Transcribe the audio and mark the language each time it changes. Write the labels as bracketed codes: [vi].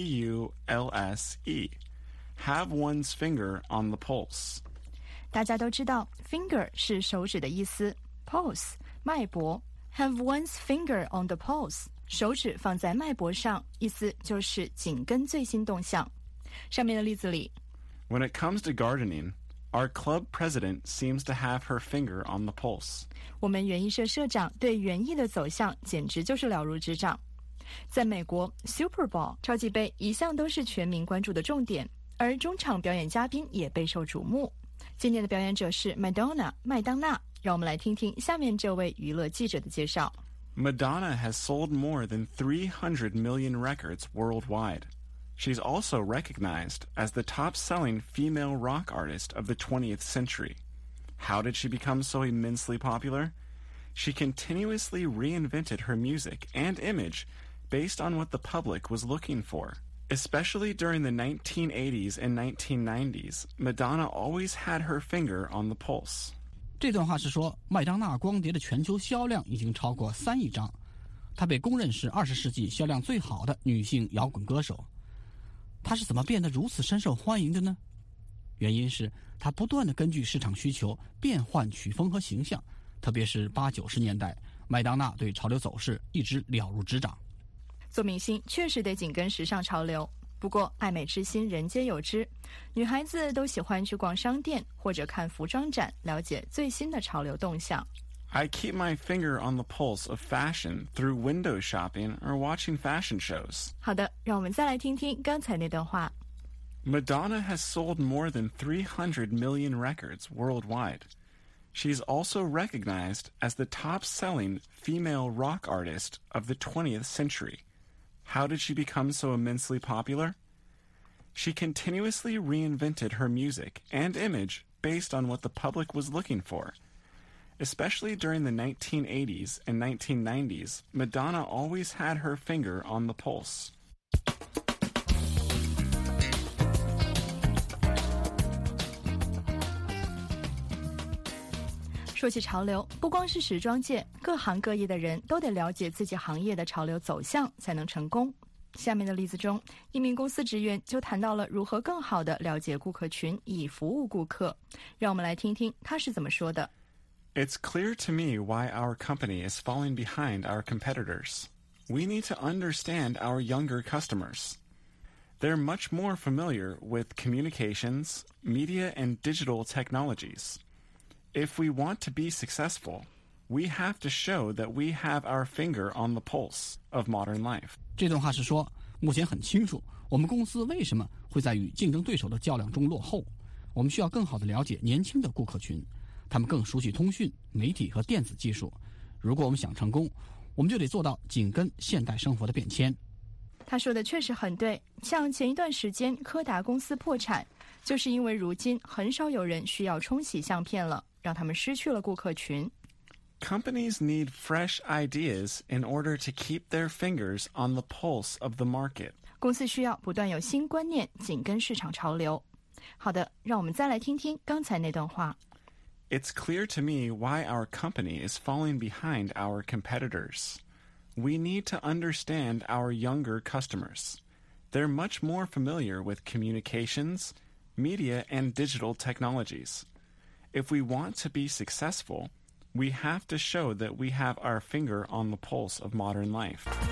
[en] P-U-L-S-E. Have one's finger on the pulse. [zh] 大家都知道 finger 是手指的意思 pulse, 脉搏 [en] Have one's finger on the pulse. [zh] 手指放在脉搏上，意思就是紧跟最新动向。上面的例子里 [en] When it comes to gardening, our club president seems to have her finger on the pulse. [zh] 我们园艺社社长对园艺的走向简直就是了如指掌。在美国 ,Super Bowl, 超级杯一向都是全民关注的重点，而中场表演嘉宾也备受瞩目。今年的表演者是 Madonna, 麦当娜。让我们来听听下面这位娱乐记者的介绍。 [en] Madonna has sold more than 300 million records worldwide. She's also recognized as the top-selling female rock artist of the 20th century. How did she become so immensely popular? She continuously reinvented her music and image based on what the public was looking for. Especially during the 1980s and 1990s, Madonna always had her finger on the pulse. [zh] 这段话是说，麦当娜光碟的全球销量已经超过3亿张。她被公认是20世纪销量最好的女性摇滚歌手。她是怎么变得如此深受欢迎的呢？原因是她不断地根据市场需求变换曲风和形象，特别是80-90年代，麦当娜对潮流走势一直了如指掌。做明星确实得紧跟时尚潮流，不过爱美之心人皆有之，女孩子都喜欢去逛商店或者看服装展，了解最新的潮流动向。 [en] I keep my finger on the pulse of fashion through window shopping or watching fashion shows. [zh] 好的，让我们再来听听刚才那段话。 [en] Madonna has sold more than 300 million records worldwide. She's also recognized as the top-selling female rock artist of the 20th century. How did she become so immensely popular? She continuously reinvented her music and image based on what the public was looking for. Especially during the 1980s and 1990s, Madonna always had her finger on the pulse. [zh] 说起潮流，不光是时装界，各行各业的人都得了解自己行业的潮流走向才能成功。下面的例子中，一名公司职员就谈到了如何更好地了解顾客群以服务顾客。让我们来听听他是怎么说的。 [en] It's clear to me why our company is falling behind our competitors. We need to understand our younger customers. They're much more familiar with communications, media, and digital technologies. If we want to be successful, we have to show that we have our finger on the pulse of modern life. [zh] 这段话是说，目前很清楚，我们公司为什么会在与竞争对手的较量中落后。我们需要更好地了解年轻的顾客群。他们更熟悉通讯、媒体和电子技术。如果我们想成功，我们就得做到紧跟现代生活的变迁。他说的确实很对，像前一段时间柯达公司破产，就是因为如今很少有人需要冲洗相片了，让他们失去了顾客群。 [en] Companies need fresh ideas in order to keep their fingers on the pulse of the market. [zh] 公司需要不断有新观念，紧跟市场潮流。好的，让我们再来听听刚才那段话。 [en] It's clear to me why our company is falling behind our competitors. We need to understand our younger customers. They're much more familiar with communications, media, and digital technologies. If we want to be successful, we have to show that we have our finger on the pulse of modern life.